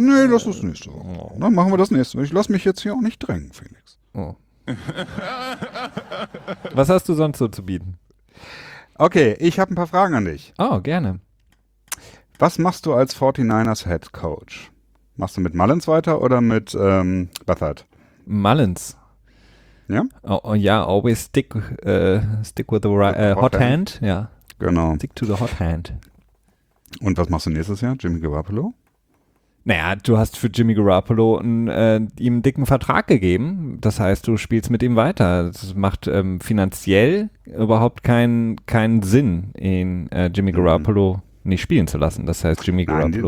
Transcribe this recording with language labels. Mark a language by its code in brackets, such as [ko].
[de] Nee, lass das nächste Woche. Oh. Dann machen wir das nächste. Ich lass mich jetzt hier auch nicht drängen, Felix. Oh. Was hast du sonst so zu bieten? Okay, ich habe ein paar Fragen an dich. Oh, gerne. Was machst du als 49ers Head Coach? Machst du mit Mullins weiter oder mit Bethard? Mullins. Ja? [en] Oh, ja, always stick with the hot hand. [de] Ja. Genau. [en] Stick to the hot hand. [de] Und was machst du nächstes Jahr? Jimmy Garoppolo? Naja, du hast für Jimmy Garoppolo ihm einen dicken Vertrag gegeben. Das heißt, du spielst mit ihm weiter. Das macht finanziell überhaupt keinen Sinn, ihn Jimmy Garoppolo nicht spielen zu lassen. Das heißt, Jimmy Garoppolo.